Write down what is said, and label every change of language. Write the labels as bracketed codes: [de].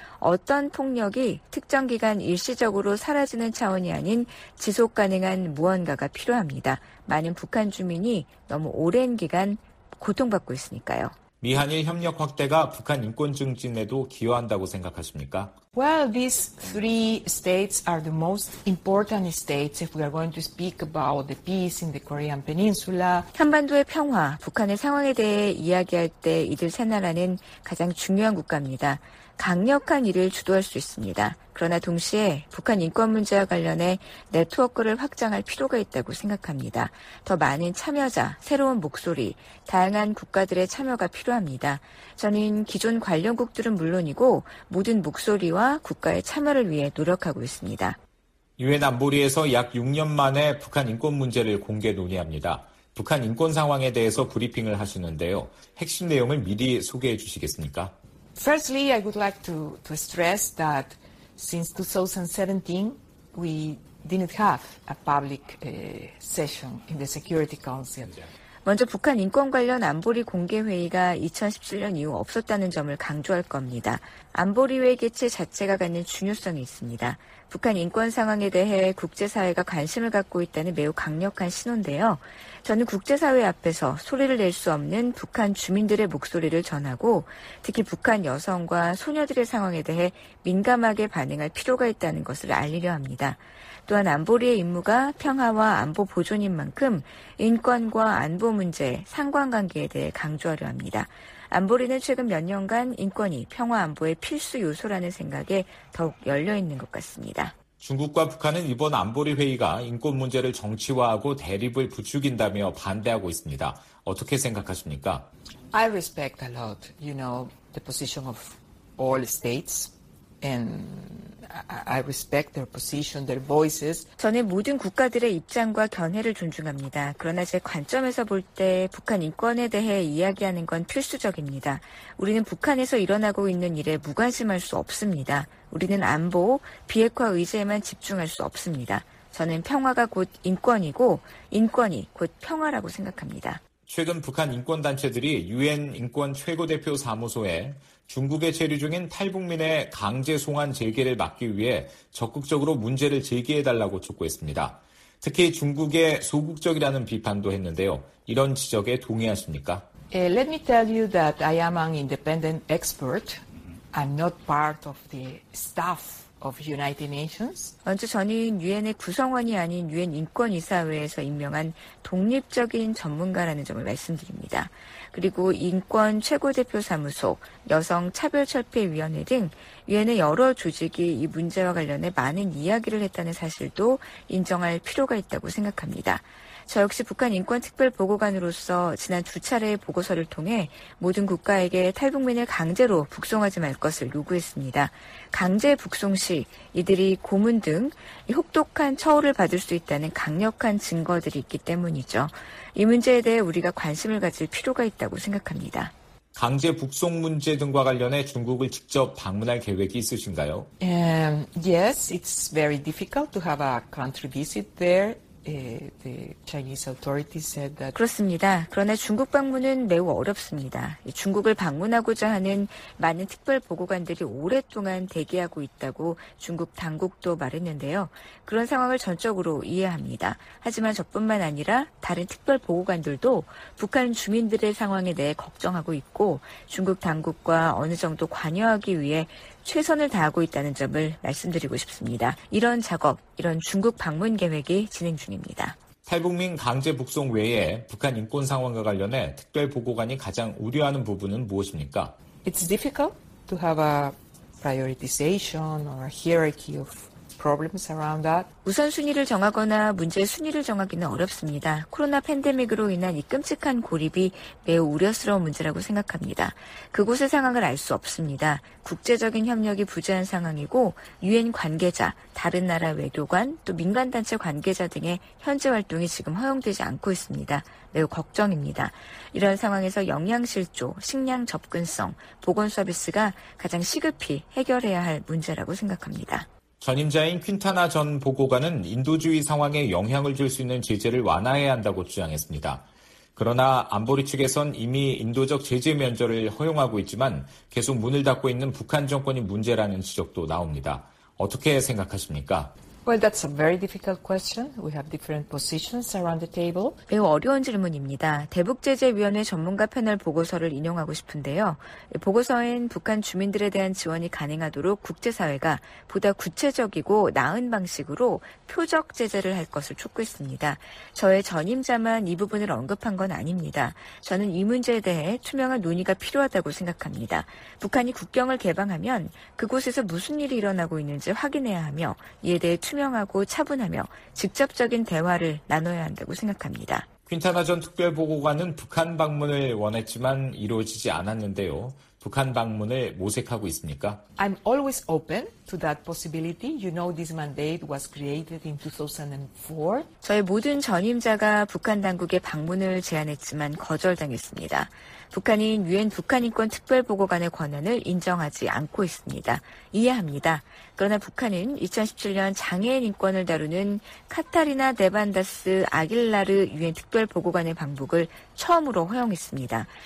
[ko] 어떤 폭력이 특정 기간 일시적으로 사라지는 차원이 아닌 지속 가능한 무언가가 필요합니다. 많은 북한 주민이 너무 오랜 기간 고통받고 있으니까요. 미한일 협력 확대가 북한 인권 증진에도 기여한다고 생각하십니까? [en] Well, these three states are the most important states if we are going to speak about the peace in the Korean Peninsula. [ko] 한반도의 평화, 북한의 상황에 대해 이야기할 때 이들 세 나라는 가장 중요한 국가입니다. 강력한 일을 주도할 수 있습니다. 그러나 동시에 북한 인권 문제와 관련해 네트워크를 확장할 필요가 있다고 생각합니다. 더 많은 참여자, 새로운 목소리, 다양한 국가들의 참여가 필요합니다. 저는 기존 관련국들은 물론이고 모든 목소리와 국가의 참여를 위해 노력하고 있습니다. 유엔 안보리에서 약 6년 만에 북한 인권 문제를 공개 논의합니다. 북한 인권 상황에 대해서 브리핑을 하시는데요. 핵심 내용을 미리 소개해 주시겠습니까? [en] Firstly, I would like to stress that since 2017, we didn't have a public session in the Security Council. [ko] 먼저 북한 인권 관련 안보리 공개 회의가 2017년 이후 없었다는 점을 강조할 겁니다. 안보리 회의 개최 자체가 갖는 중요성이 있습니다. 북한 인권 상황에 대해 국제사회가 관심을 갖고 있다는 매우 강력한 신호인데요. 저는 국제사회 앞에서 소리를 낼 수 없는 북한 주민들의 목소리를 전하고 특히 북한 여성과 소녀들의 상황에 대해 민감하게 반응할 필요가 있다는 것을 알리려 합니다. 또한 안보리의 임무가 평화와 안보 보존인 만큼 인권과 안보 문제, 상관관계에 대해 강조하려 합니다. 안보리는 최근 몇 년간 인권이 평화 안보의 필수 요소라는 생각에 더욱 열려있는 것 같습니다. 중국과 북한은 이번 안보리 회의가 인권 문제를 정치화하고 대립을 부추긴다며 반대하고 있습니다. 어떻게 생각하십니까? [en] I respect a lot, you know, the position of all states and I respect their position, their voices. [ko] 저는 모든 국가들의 입장과 견해를 존중합니다. 그러나 제 관점에서 볼 때 북한 인권에 대해 이야기하는 건 필수적입니다. 우리는 북한에서 일어나고 있는 일에 무관심할 수 없습니다. 우리는 안보, 비핵화 의제에만 집중할 수 없습니다. 저는 평화가 곧 인권이고 인권이 곧 평화라고 생각합니다. 최근 북한 인권단체들이 유엔 인권최고대표 사무소에 중국에 체류 중인 탈북민의 강제 송환 재개를 막기 위해 적극적으로 문제를 제기해달라고 촉구했습니다. 특히 중국의 소극적이라는 비판도 했는데요. 이런 지적에 동의하십니까? [en] Let me tell you that I am an independent expert. I'm not part of the staff of United Nations. [ko] 먼저 저는 UN의 구성원이 아닌 UN 인권이사회에서 임명한 독립적인 전문가라는 점을 말씀드립니다. 그리고 인권 최고대표 사무소, 여성 차별철폐위원회 등 UN의 여러 조직이 이 문제와 관련해 많은 이야기를 했다는 사실도 인정할 필요가 있다고 생각합니다. 저 역시 북한 인권특별보고관으로서 지난 두 차례의 보고서를 통해 모든 국가에게 탈북민을 강제로 북송하지 말 것을 요구했습니다. 강제 북송 시 이들이 고문 등 혹독한 처우를 받을 수 있다는 강력한 증거들이 있기 때문이죠. 이 문제에 대해 우리가 관심을 가질 필요가 있다고 생각합니다. 강제 북송 문제 등과 관련해 중국을 직접 방문할 계획이 있으신가요? [en] Yes, it's very difficult to have a country visit there. The Chinese authorities said that. [ko] 그렇습니다. 그러나 중국 방문은 매우 어렵습니다. 중국을 방문하고자 하는 많은 특별 보고관들이 오랫동안 대기하고 있다고 중국 당국도 말했는데요. 그런 상황을 전적으로 이해합니다. 하지만 저뿐만 아니라 다른 특별 보고관들도 북한 주민들의 상황에 대해 걱정하고 있고 중국 당국과 어느 정도 관여하기 위해 최선을 다하고 있다는 점을 말씀드리고 싶습니다. 이런 작업, 이런 중국 방문 계획이 진행 중입니다. 탈북민 강제 북송 외에 북한 인권 상황과 관련해 특별 보고관이 가장 우려하는 부분은 무엇입니까? [en] It's difficult to have a prioritization or a hierarchy of problems around that. [ko] 우선순위를 정하거나 문제의 순위를 정하기는 어렵습니다. 코로나 팬데믹으로 인한 이 끔찍한 고립이 매우 우려스러운 문제라고 생각합니다. 그곳의 상황을 알 수 없습니다. 국제적인 협력이 부재한 상황이고 유엔 관계자, 다른 나라 외교관, 또 민간단체 관계자 등의 현지 활동이 지금 허용되지 않고 있습니다. 매우 걱정입니다. 이런 상황에서 영양실조, 식량 접근성, 보건서비스가 가장 시급히 해결해야 할 문제라고 생각합니다. 전임자인 퀸타나 전 보고관은 인도주의 상황에 영향을 줄 수 있는 제재를 완화해야 한다고 주장했습니다. 그러나 안보리 측에선 이미 인도적 제재 면제를 허용하고 있지만 계속 문을 닫고 있는 북한 정권이 문제라는 지적도 나옵니다. 어떻게 생각하십니까? [en] Well, that's a very difficult question. We have different positions around the table. [ko] 매우 어려운 질문입니다. 대북제재위원회 전문가 패널 보고서를 인용하고 싶은데요. 보고서엔 북한 주민들에 대한 지원이 가능하도록 국제사회가 보다 구체적이고 나은 방식으로 표적 제재를 할 것을 촉구했습니다. 저의 전임자만 이 부분을 언급한 건 아닙니다. 저는 이 문제에 대해 투명한 논의가 필요하다고 생각합니다. 북한이 국경을 개방하면 그곳에서 무슨 일이 일어나고 있는지 확인해야 하며 이에 대해 투명하고 차분하며 직접적인 대화를 나눠야 한다고 생각합니다. 퀸타나 전 특별보고관은 북한 방문을 원했지만 이루어지지 않았는데요. 북한 방문을 모색하고 있습니까? [en] I'm always open to that possibility. You know, this mandate was created in 2004. [ko] 저의 모든 전임자가 북한 당국에 방문을 제안했지만 거절당했습니다. 북한인 유엔 북한인권특별보고관의 권한을 인정하지 않고 있습니다. 이해합니다. 그러나 북한은 2017년 장애인 인권을 다루는 카타리나 데반다스 아길라르 유엔 특별보고관의 방북을 처음으로 허용했습니다.